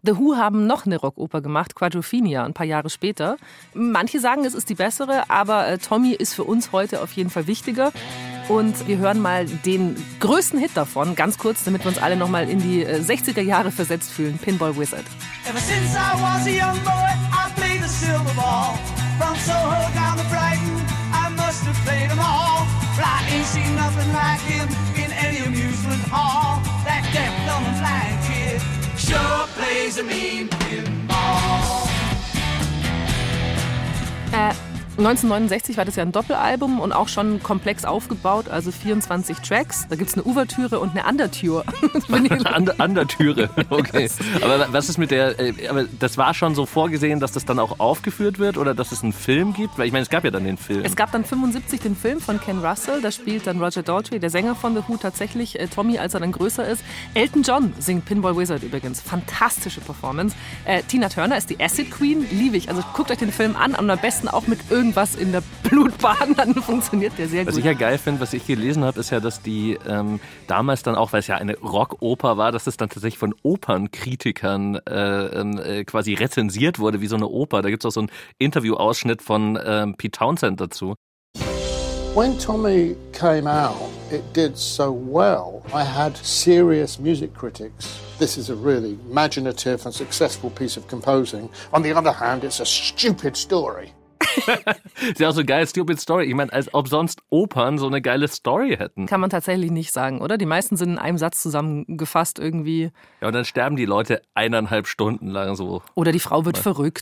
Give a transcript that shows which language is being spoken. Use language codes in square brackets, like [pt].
[de] The Who haben noch eine Rockoper gemacht, Quadrophenia, ein paar Jahre später. Manche sagen, es ist die bessere, aber Tommy ist für uns heute auf jeden Fall wichtiger. Und wir hören mal den größten Hit davon, ganz kurz, damit wir uns alle nochmal in die 60er Jahre versetzt fühlen, Pinball Wizard. [en] Ever since I was a young boy, I played the silver ball. From Soho down to Brighton, I must have played them all. I ain't seen nothing like him in any amusement hall. That deaf, dumb, and blind kid sure plays a mean pinball. [de] 1969 war das ja ein Doppelalbum und auch schon komplex aufgebaut, also 24 Tracks. Da gibt es eine Ouvertüre und eine Andertüre. Andertüre, okay. Yes. Aber was ist mit der, aber das war schon so vorgesehen, dass das dann auch aufgeführt wird oder dass es einen Film gibt? Weil ich meine, es gab ja dann den Film. Es gab dann 75 den Film von Ken Russell, da spielt dann Roger Daltrey, der Sänger von The Who, tatsächlich Tommy, als er dann größer ist. Elton John singt Pinball Wizard übrigens. Fantastische Performance. Tina Turner ist die Acid Queen, liebe ich. Also guckt euch den Film an und am besten auch mit irgendwas in der Blutbahn, dann funktioniert der sehr gut. Was ich ja geil finde, was ich gelesen habe, ist ja, dass die damals dann auch, weil es ja eine Rockoper war, dass es dann tatsächlich von Opernkritikern quasi rezensiert wurde, wie so eine Oper. Da gibt es auch so einen Interview-Ausschnitt von Pete Townsend dazu. [en] When Tommy came out, it did so well. I had serious music critics. This is a really imaginative and successful piece of composing. On the other hand, it's a stupid story. [de] Das ist ja auch so eine geile Stupid Story. Ich meine, als ob sonst Opern so eine geile Story hätten. Kann man tatsächlich nicht sagen, oder? Die meisten sind in einem Satz zusammengefasst irgendwie. Ja, und dann sterben die Leute 1,5 Stunden lang so. Oder die Frau wird verrückt.